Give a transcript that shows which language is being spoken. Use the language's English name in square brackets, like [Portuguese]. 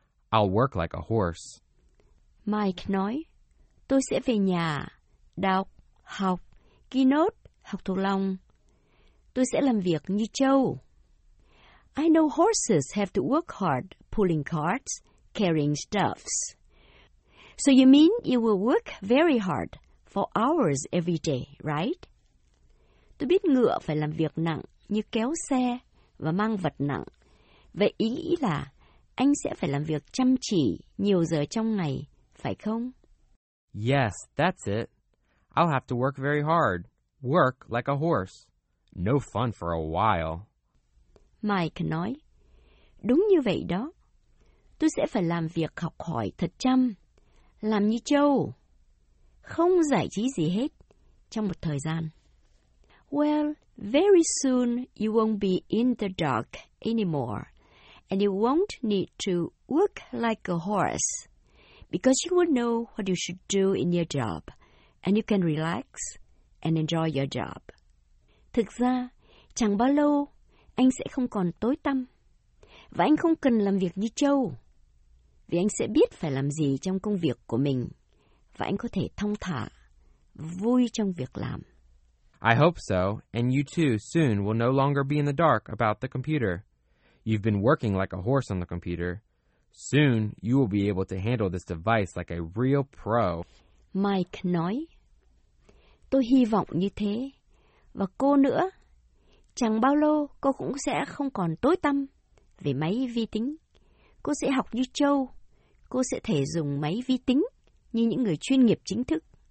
[English] I'll work like a horse. [Vietnamese] Mike nói, tôi sẽ về nhà, đọc, học, ghi nốt, học thuộc lòng. Tôi sẽ làm việc như trâu. [English] I know horses have to work hard pulling carts, carrying stuffs. So you mean you will work very hard for hours every day, right? [Vietnamese] Tôi biết ngựa phải làm việc nặng như kéo xe và mang vật nặng. Vậy ý nghĩ là anh sẽ phải làm việc chăm chỉ nhiều giờ trong ngày, phải không? [English] Yes, that's it. I'll have to work very hard. Work like a horse. No fun for a while. [Vietnamese] Mike nói, đúng như vậy đó. Tôi sẽ phải làm việc học hỏi thật chăm. Làm như trâu. Không giải trí gì hết trong một thời gian. [English] Well, very soon you won't be in the dark anymore. And you won't need to work like a horse. Because you will know what you should do in your job. And you can relax and enjoy your job. [Vietnamese] Thực ra, chẳng bao lâu, anh sẽ không còn tối tăm. Và anh không cần làm việc như trâu. Vì anh sẽ biết phải làm gì trong công việc của mình. Và anh có thể thong thả, vui trong việc làm. [English] I hope so, and you too soon will no longer be in the dark about the computer. You've been working like a horse on the computer. Soon, you will be able to handle this device like a real pro. [Vietnamese] Mike nói, tôi hy vọng như thế. Và cô nữa, chẳng bao lâu cô cũng sẽ không còn tối tăm về máy vi tính. Cô sẽ học như trâu. Cô sẽ thể dùng máy vi tính như những người chuyên nghiệp chính thức.